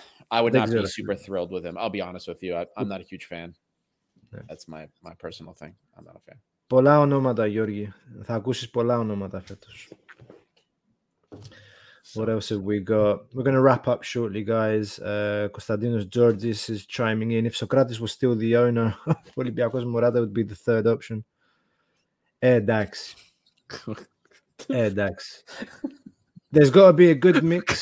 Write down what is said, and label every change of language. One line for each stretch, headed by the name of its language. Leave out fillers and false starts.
English: I would not be super thrilled with him. I'll be honest with you. I'm not a huge fan. That's my personal thing. I'm not a fan.
Greek: Πολλά ονόματα, Γιώργη. Θα ακούσεις πολλά ονόματα φέτος.
English: What else have we got? We're going to wrap up shortly, guys. Konstantinos Georgis is chiming in. If Socrates was still the owner, Olympiacos Morata would be the third option. Dax. There's got to be a good mix.